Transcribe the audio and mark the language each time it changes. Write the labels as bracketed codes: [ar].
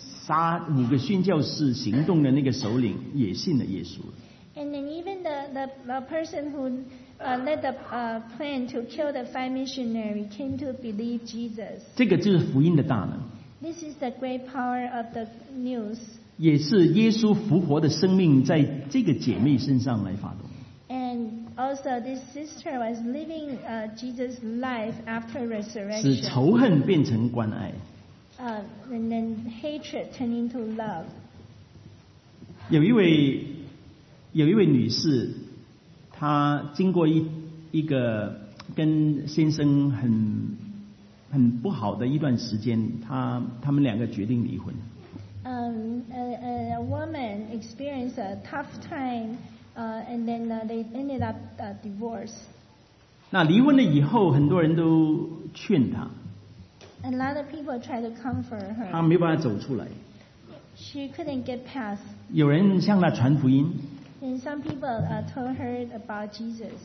[zh] 杀五个殉教士行动的那个首领也信了耶稣。 [en] And then even the person who led the plan to kill the five missionaries came to believe Jesus. [zh] 这个就是福音的大能。 [en] This is the great power of the news. [zh] 也是耶稣复活的生命在这个姐妹身上来发动。 [en] And also this sister was living Jesus' life after resurrection. [zh] 使仇恨变成关爱。 [en] And then hatred turned into love. [zh] 有一位女士，她经过一个跟先生很不好的一段时间，他们两个决定离婚。 [en] A woman experienced a tough time, and then they ended up divorce. [zh] 那离婚了以后，很多人都劝她。 [en] A lot of people tried to comfort her. [zh] 她没办法走出来。 [en] She couldn't get past. [zh] 有人向她传福音。 [en] And some people told her about Jesus.